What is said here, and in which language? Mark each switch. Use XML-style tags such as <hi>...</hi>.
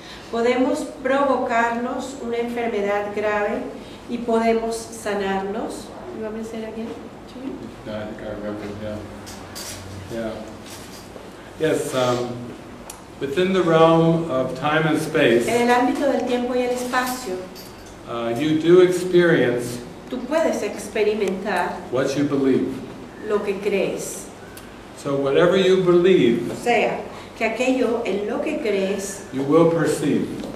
<es>¿Podemos provocarnos una enfermedad grave y podemos sanarnos?</es> <en>You want me to say it again to you? No, I think I remember, yeah. Yeah. Yes, within the realm of time and space,</en> <es>en el ámbito del tiempo y el espacio,</es> <en>you do experience</en> <es>tú puedes experimentar</es> <en>what you believe.</en> <es>Lo que crees.</es> <en>So whatever you believe,</en> <es>o sea, que aquello en lo que crees,</es> <en>you will perceive.</en>